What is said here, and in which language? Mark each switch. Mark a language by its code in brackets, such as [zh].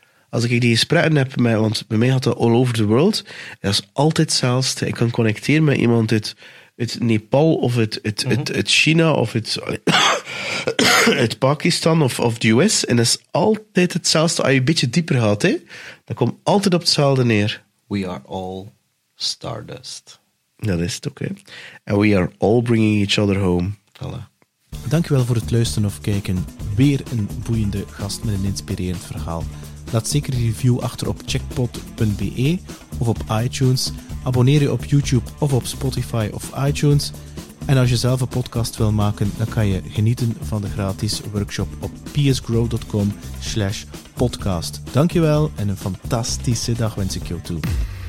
[nl] Als ik die gesprekken heb, want bij mij had dat [en] all over the world, [nl] dat is altijd hetzelfde. Ik kan connecteren met iemand uit... Het Nepal of het China of het, het Pakistan of de US. En dat is altijd hetzelfde als je een beetje dieper gaat. Hè? Dat komt altijd op hetzelfde neer. [en] We are all stardust. [nl] Dat is het, oké. [en] And we are all bringing each other home. [nl] Voilà. Dankjewel voor het luisteren of kijken. Weer een boeiende gast met een inspirerend verhaal. Laat zeker een review achter op checkpot.be of op iTunes. Abonneer je op YouTube of op Spotify of iTunes. En als je zelf een podcast wil maken, dan kan je genieten van de gratis workshop op psgrow.com/podcast. Dankjewel en een fantastische dag wens ik jou toe.